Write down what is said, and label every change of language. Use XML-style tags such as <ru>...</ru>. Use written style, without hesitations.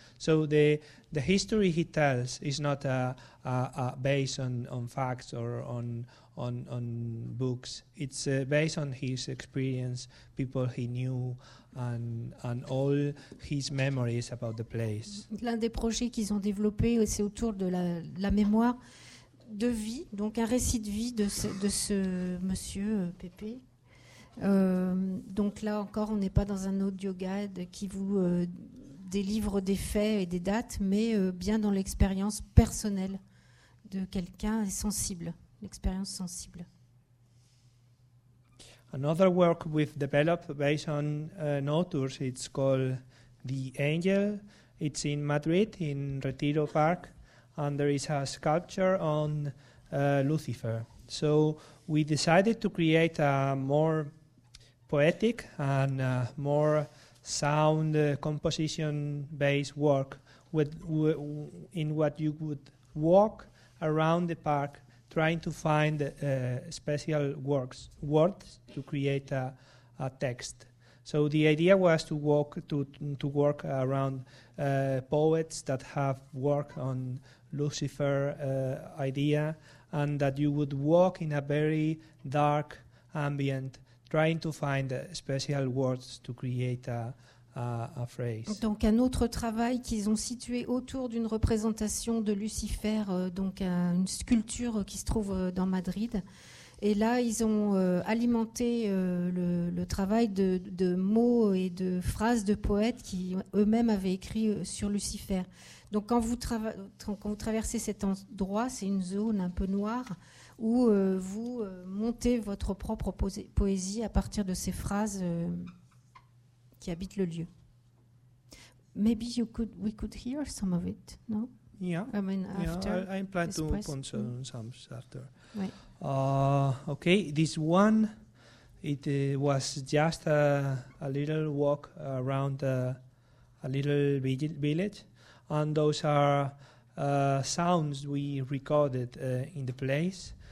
<en>So the history he tells is not based on facts or on books. It's based on his experience, people he knew, and all his memories about the place.</en> <fr>L'un des projets qu'ils ont développé, c'est autour de la mémoire de vie, donc un récit de vie de ce monsieur Pépé. Donc là encore, on n'est pas dans un audio guide qui vous délivre des faits et des dates, mais bien dans l'expérience personnelle de quelqu'un sensible, l'expérience sensible.</fr> <en>Another work we've developed based on Notours, it's called The Angel. It's in Madrid, in Retiro Park, and there is a sculpture on Lucifer. So we decided to create a more poetic and more sound composition-based work in what you would walk around the park trying to find special words to create a text. So the idea was to work around poets that have worked on Lucifer idea, and that you would walk in a very dark ambient, trying to find special words to create a phrase.</en> <fr>Donc un autre travail qu'ils ont situé autour d'une représentation de Lucifer, donc une sculpture qui se trouve dans Madrid. Et là, ils ont alimenté le travail de mots et de phrases de poètes qui eux-mêmes avaient écrit sur Lucifer. Donc quand vous traversez cet endroit, c'est une zone un peu noire, où vous montez votre propre poésie à partir de ces phrases qui habitent le lieu.</fr> <en>Maybe we could hear some of it, no? Yeah. I mean, after. Yeah, I plan to punch on some after.</en> <fr>Oui.</fr> <en>Okay, this one, it was just a little walk around a little village, and those are sounds we recorded in the place.</en>